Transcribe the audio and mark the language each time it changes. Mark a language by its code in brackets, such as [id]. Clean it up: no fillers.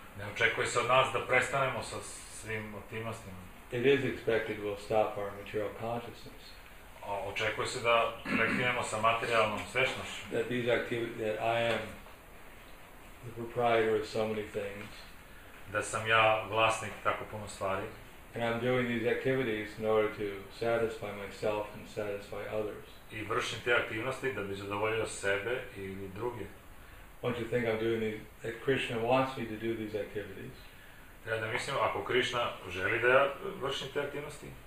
[sr] Ne očekuje se od nas da prestanemo sa svim aktivnostima. [en] It is expected we'll stop our material consciousness. [sr] Očekuje se da prekinemo sa materijalnom svesnošću. [en] That these activities, that I am the proprietor of so many things. [sr] Da sam ja vlasnik tako puno stvari. [en] And I'm doing these activities in order to satisfy myself and satisfy others. [sr] I vršim te aktivnosti da bi zadovoljio sebe ili druge. [en] Don't you think I'm doing these, that Krishna wants me to do these activities? [sr] Ja da mislim, ako Krishna želi da ja vršim te aktivnosti.